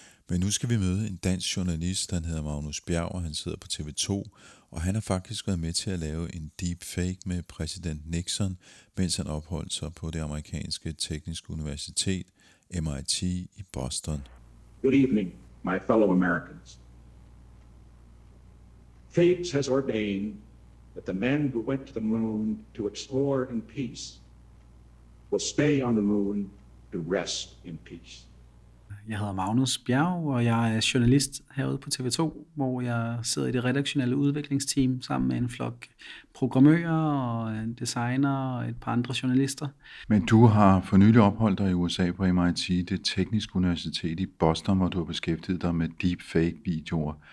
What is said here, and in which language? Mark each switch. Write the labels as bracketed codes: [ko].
[da] Men nu skal vi møde en dansk journalist, han hedder Magnus Bjerg, og han sidder på TV2. Og han har faktisk været med til at lave en deepfake med præsident Nixon, mens han opholdt sig på det amerikanske tekniske universitet, MIT i Boston. [en] Good evening, my fellow Americans. Fate has ordained that the men who went to the moon to explore in peace will stay on the moon to rest in peace. [da] Jeg hedder Magnus Bjerg, og jeg er journalist herude på TV2, hvor jeg sidder i det redaktionelle udviklingsteam sammen med en flok programmører og designer og et par andre journalister. Men du har for nylig opholdt dig i USA på MIT, det tekniske universitet i Boston, hvor du har beskæftiget dig med deepfake-videoer.